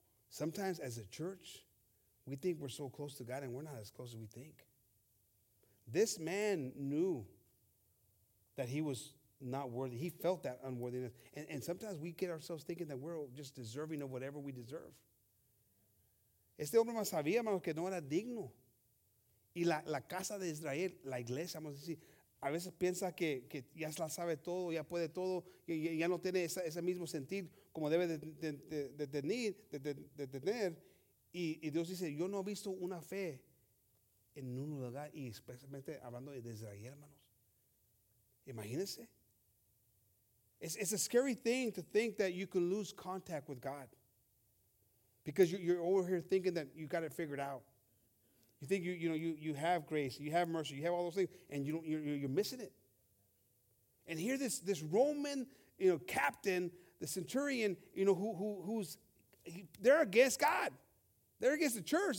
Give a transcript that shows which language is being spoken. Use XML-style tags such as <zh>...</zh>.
<en>Sometimes as a church, we think we're so close to God, and we're not as close as we think. This man knew that he was not worthy. He felt that unworthiness. And sometimes we get ourselves thinking that we're just deserving of whatever we deserve.</en> <es>Este hombre más sabía, hermano, que no era digno. Y la casa de Israel, la iglesia, vamos a decir, a veces piensa que ya la sabe todo, ya puede todo, ya no tiene ese mismo sentir como debe de tener. Y Dios dice, yo no he visto una fe en un lugar, y especialmente hablando de Israel, hermanos. Imagínense.</es> <en>It's a scary thing to think that you can lose contact with God. Because you're over here thinking that you got it figured out. You think you have grace, you have mercy, you have all those things, and you're missing it. And here this Roman, you know, captain, the centurion, you know, who's against God. They're against the church.</en>